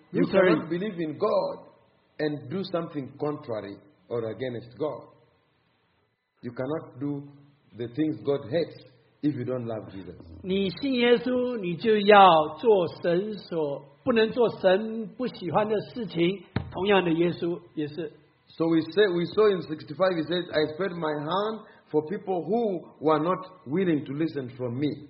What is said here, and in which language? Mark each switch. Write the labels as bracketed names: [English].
[English] You cannot believe in God and do something contrary or against God. You cannot do the things God hates if you don't love Jesus. [Chinese] 你信耶稣，你就要做神所不能做神不喜欢的事情。同样的，耶稣也是。 [English] So we saw in 65, he says, I spread my hand for people who were not willing to listen from me.